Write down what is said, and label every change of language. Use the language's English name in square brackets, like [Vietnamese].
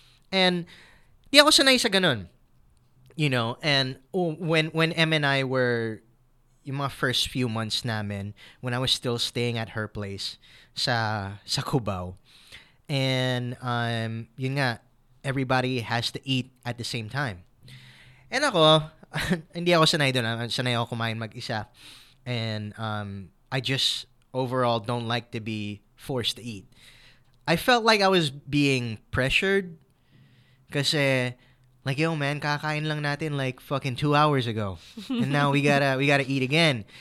[Filipino] And di ako sanay sa ganun. [English] You know? And when M and I were... [Filipino] yung mga [English] first few months [Filipino] namin [English] when I was still staying at her place [Filipino] sa Cubao. [English] And [Filipino] yun nga, [English] everybody has to eat at the same time. [Filipino] And ako, hindi ako sanay doon. Sanay ako kumain mag-isa. [English] And I just overall don't like to be forced to eat. I felt like I was being pressured [Filipino] kasi... [English] like, yo, man, [Filipino] kakain lang natin [English] like fucking 2 hours ago. And now we gotta eat again.